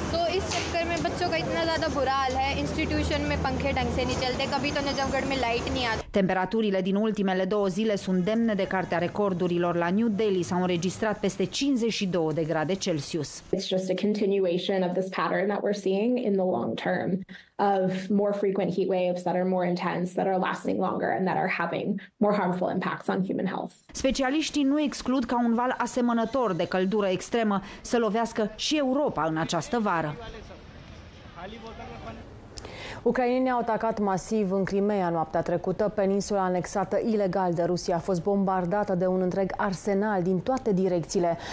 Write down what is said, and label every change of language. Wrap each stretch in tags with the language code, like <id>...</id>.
<hi>तो इस चक्कर में बच्चों का इतना ज्यादा बुरा हाल है इंस्टीट्यूशन में पंखे ढंग से नहीं चलते कभी तो नजफगढ़ में लाइट नहीं आती.</hi> <ro>Temperaturile din ultimele două zile sunt demne de cartea recordurilor. La New Delhi s-au înregistrat peste 52 de grade Celsius.</ro> <en>It's just a continuation of this pattern that we're seeing in the long term of more frequent heat waves that are more intense, that are lasting longer and that are having more harmful impacts on human health.</en> <ro>Specialiștii nu exclud ca un val asemănător de căldură extremă să lovească și Europa în această vară. Ucrainenii au atacat masiv în Crimea noaptea trecută. Peninsula anexată ilegal de Rusia a fost bombardată de un întreg arsenal din toate direcțiile.</ro>